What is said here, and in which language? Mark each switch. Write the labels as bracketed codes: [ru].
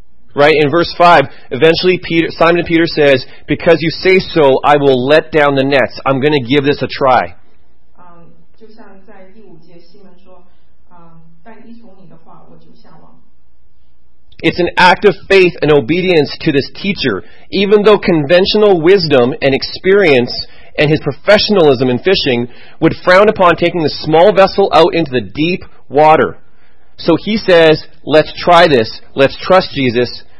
[en] Right, in verse 5, eventually Simon Peter says, because you say so, I will let down the nets, I'm going to give this a try. [zh] Just像在第五节西门说, 但依从你的话, [en] It's an act of faith and obedience to this teacher, even though conventional wisdom and experience and his professionalism in fishing would frown upon taking the small vessel out into the deep water. So he says, let's try this. Let's trust Jesus.